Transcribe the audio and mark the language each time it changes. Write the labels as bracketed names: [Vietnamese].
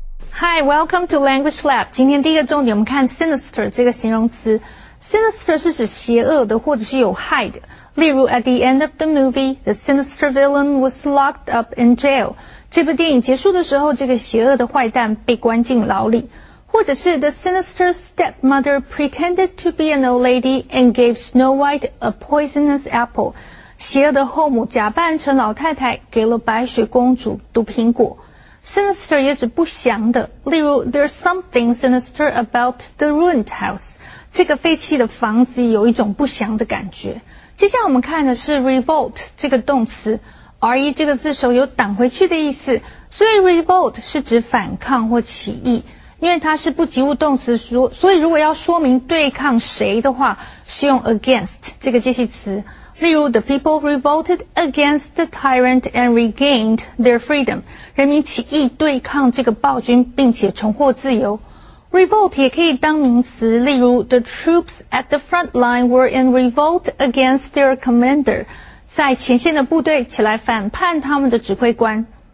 [English] Hi, welcome to Language Lab. [Chinese] 今天第一个重点我们看 sinister 这个形容词。 Sinister 是指邪恶的或者是有害的。 [English] 例如 at the end of the movie, the sinister villain was locked up in jail. [Chinese] 这部电影结束的时候这个邪恶的坏蛋被关进牢里。 [English] 或者是 the sinister stepmother pretended to be an old lady and gave Snow White a poisonous apple. [Chinese] 邪恶的后母假扮成老太太给了白雪公主毒苹果。 [English] Sinister [Chinese] 也指不祥的，例如 [English] There's something sinister about the ruined house. [Chinese] 这个废弃的房子有一种不祥的感觉。接下来我们看的是 revolt 这个动词， RE 这个字首有挡回去的意思，所以 revolt 是指反抗或起义。因为它是不及物动词，所以如果要说明对抗谁的话，是用 against 这个介系词。 [English] 例如 the people revolted against the tyrant and regained their freedom. [Chinese] 人民起义对抗这个暴君并且重获自由。 [English] Revolt [Chinese] 也可以当名词，例如 [English] the troops at the front line were in revolt against their commander. [Chinese] 在前线的部队起来反叛他们的指挥官。